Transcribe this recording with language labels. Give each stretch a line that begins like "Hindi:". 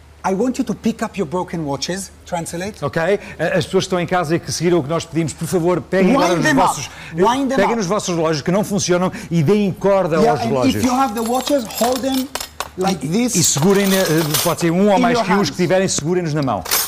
English: I want you to pick up your broken watches. Translate. Okay.
Portuguese: As pessoas que estão em casa e que seguiram o que nós pedimos, por favor, peguem os vossos relógios que não funcionam e deem corda aos relógios.
English: If you have the watches, hold them like this.
Portuguese: E segurem, pode ser um ou mais que os que tiverem, segurem-nos na mão.